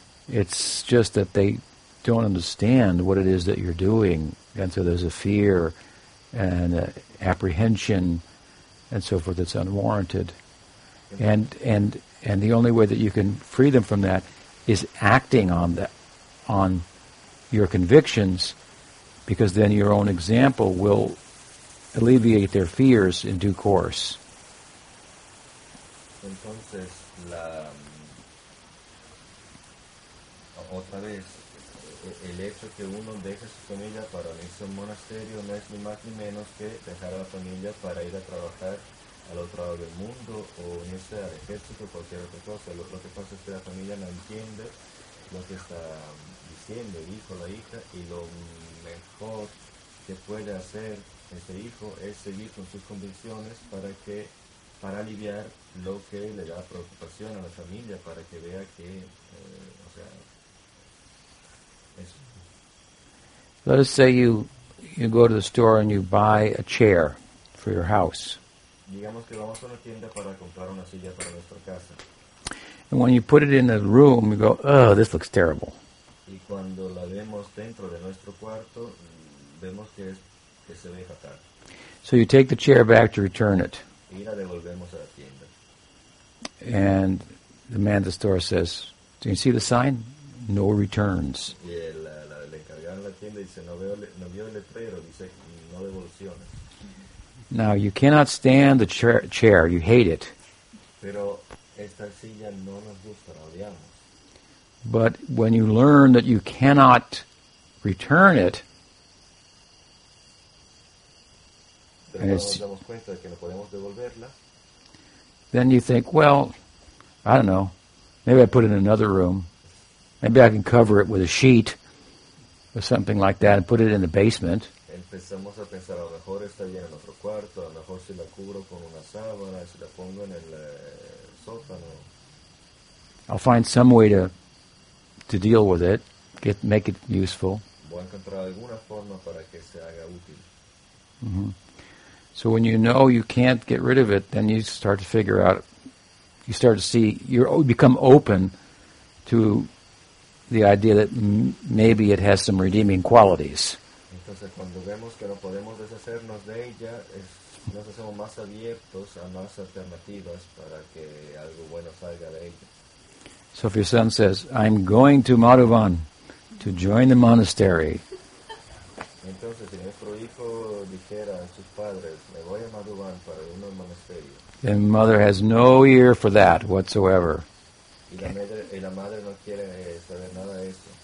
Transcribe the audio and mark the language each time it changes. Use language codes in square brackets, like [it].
[en] It's just that they don't understand what it is that you're doing, and so there's a fear and apprehension and so forth that's unwarranted. And the only way that you can free them from that is acting on that, on your convictions, because then your own example will alleviate their fears in due course. [es] Entonces, la otra vez, el hecho que uno deje su familia para irse a un monasterio no es ni más ni menos que dejar a la familia para ir a trabajar al otro lado del mundo o irse al ejército o cualquier otra cosa. Lo que pasa es que la familia no entiende lo que está diciendo el hijo, la hija, y lo mejor que puede hacer ese hijo es seguir con sus convicciones para aliviar lo que le da preocupación a la familia, para que vea que, o sea, eso. [en] Let us say you go to the store and you buy a chair for your house. [es] Digamos que vamos a una tienda para comprar una silla para nuestra casa. [en] And when you put it in the room, you go, oh, this looks terrible. [es] Y cuando la vemos dentro de nuestro cuarto, vemos que es, que se ve fatal. [en] So you take the chair back to return it. [es] Y la devolvemos a la tienda. [en] And the man at the store says, do you see the sign? No returns. [es] Y el encargado de la tienda dice, no vio el letrero, dice, no devoluciones. [en] Now, you cannot stand the chair. You hate it. [es] Pero esta silla no nos gusta, la odiamos. [en] But when you learn that you cannot return it, [es] and nos damos cuenta de que no podemos devolverla, [en] then you think, well, I don't know. Maybe I put it in another room. Maybe I can cover it with a sheet or something like that and put it in the basement. [es] Empezamos a pensar, a lo mejor está bien en otro cuarto, a lo mejor si la cubro con una sábana, si la pongo en el sótano. [en] I'll find some way to deal with it, make it useful. [es] Voy a encontrar alguna forma para que se haga útil. Mm-hmm. [en] So when you know you can't get rid of it, then you start to figure out, you start to see, you become open to the idea that maybe it has some redeeming qualities. [es] Entonces, cuando vemos que no podemos deshacernos de ella, nos hacemos más abiertos a más alternativas para que algo bueno salga de ella. [en] So if your son says, I'm going to Madhavan to join the monastery. [es] Entonces, si nuestro hijo dijera a sus padres, me voy a Madhavan para unir al monasterio. [en] The mother has no ear for that whatsoever. [es] Y la madre no quiere saber nada de eso.